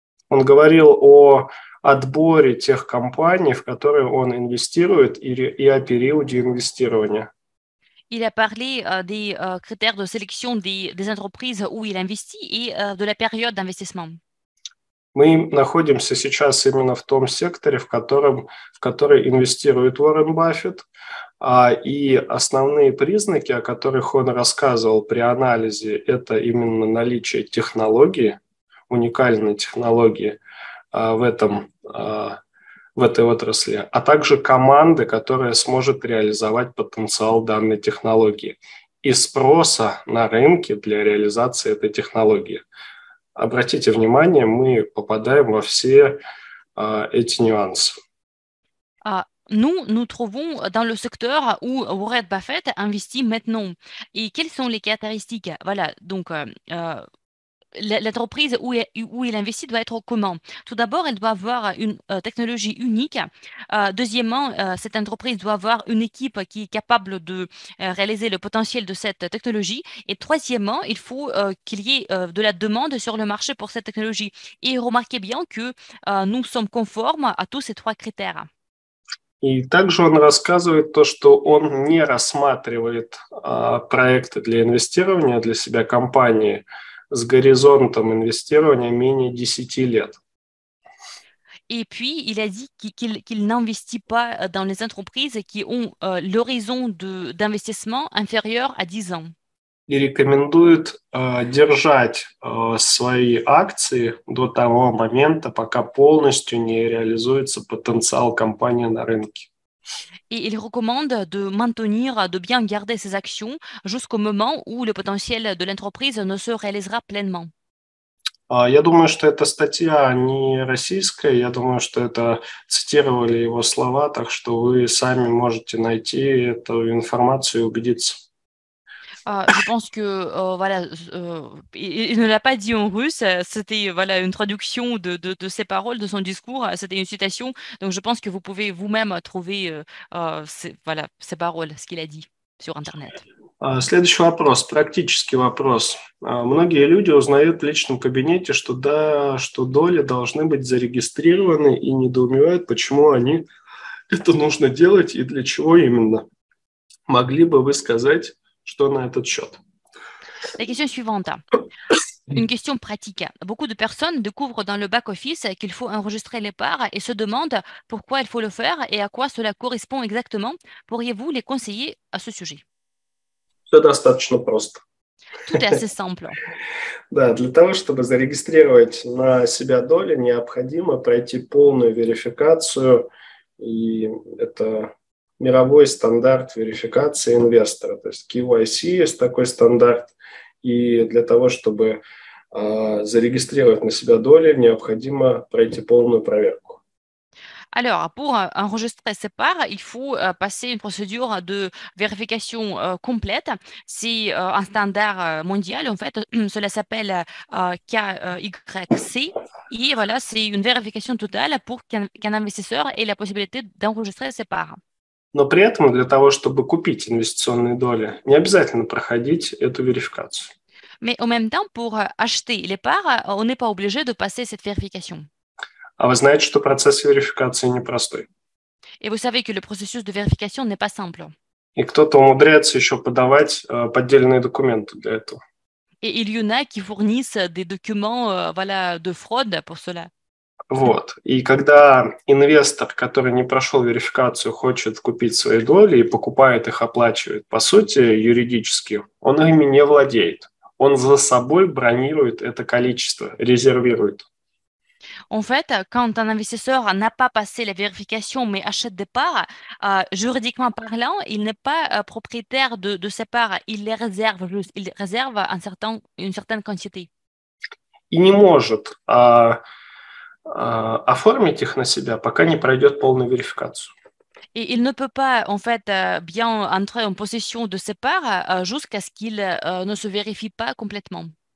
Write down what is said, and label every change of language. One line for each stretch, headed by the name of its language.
Russian: Он говорил о отборе тех компаний, в которые он инвестирует, и о периоде инвестирования.
French: Il a parlé des critères de sélection des entreprises où il investit et de la période d'investissement.
Russian: Мы находимся сейчас именно в том секторе, в который инвестирует Уоррен Баффет, и основные признаки, о которых он рассказывал при анализе, это именно наличие технологии, уникальной технологии в этой отрасли, а также команды, которая сможет реализовать потенциал данной технологии и спроса на рынке для реализации этой технологии. Обратите внимание, мы попадаем во все эти нюансы.
French: Nous trouvons dans le secteur où Warren Buffett investit maintenant. Et quelles sont les caractéristiques? Voilà, donc l'entreprise où il investit doit être comment? Tout d'abord, elle doit avoir une technologie unique. Deuxièmement, cette entreprise doit avoir une équipe qui est capable de réaliser le potentiel de cette technologie. Et troisièmement, il faut qu'il y ait de la demande sur le marché pour cette technologie. Et remarquez bien que nous sommes conformes à tous ces trois critères.
Russian: И также он рассказывает то, что он не рассматривает проекты для инвестирования для себя компании с горизонтом инвестирования менее 10 лет.
French: Et puis, il a dit qu'il n'investit pas dans les entreprises qui ont l'horizon d'investissement inférieur à 10 ans.
Russian: И рекомендует держать свои акции до того момента, пока полностью не реализуется потенциал компании на рынке.
French: Et il recommande de maintenir, de bien garder ses actions jusqu'au moment où le potentiel de l'entreprise ne se réalisera pleinement.
Russian: Я думаю, что эта статья не российская. Я думаю, что это цитировали его слова, так что вы сами можете найти эту информацию и убедиться.
French: Je pense que voilà, il ne l'a pas dit en russe. C'était voilà une traduction de ses paroles, de son discours. C'était une citation. Donc, je pense que vous pouvez vous-même trouver voilà ses paroles, ce qu'il a dit sur Internet.
Russian: Следующий вопрос, практический вопрос. Многие люди узнают в личном кабинете, что доли должны быть зарегистрированы и недоумевают, почему они это нужно делать и для чего именно. Могли бы вы сказать, что на этот счет?
French: La question suivante. Une question pratique. Beaucoup de personnes découvrent dans le back-office qu'il faut enregistrer les parts et se demandent pourquoi il faut le faire et à quoi cela correspond exactement. Pourriez-vous les conseiller à ce sujet?
Russian: Все достаточно просто.
French: Tout est assez simple.
Russian: Да, для того, чтобы зарегистрировать на себя доли, необходимо пройти полную верификацию, и это мировой стандарт верификации инвестора. То есть KYC есть такой стандарт, и для того, чтобы зарегистрировать на себя доли, необходимо пройти полную проверку.
French: Alors, pour enregistrer ses parts, il faut passer une procédure de vérification complète. C'est un standard mondial, en fait. Cela s'appelle KYC. Et voilà, c'est une vérification totale pour qu'un investisseur ait la possibilité d'enregistrer ses parts.
Russian: Но при этом для того, чтобы купить инвестиционные доли, не обязательно проходить эту верификацию.
French: Mais en même temps, pour acheter les parts, on n'est pas obligé de passer cette vérification.
Russian: А вы знаете, что процесс верификации непростой. И вы знаете, что процесс верификации не просто. И кто-то умудряется еще подавать поддельные документы для этого. И есть те, кто предоставляет документы для фрода для этого. Вот. И когда инвестор, который не прошел верификацию, хочет купить свои доли и покупает их, оплачивает, по сути, юридически, он ими не владеет. Он за собой бронирует это количество, резервирует.
French: En fait, quand un investisseur n'a pas passé la vérification mais achète des parts, juridiquement parlant, il n'est pas propriétaire de ses parts, il les réserve, une certaine quantité.
Russian: И не может оформить их на себя, пока не пройдет полную верификацию.
French: Et il ne peut pas en fait bien entrer en possession de ses parts jusqu'à ce qu'il ne se vérifie pas complètement.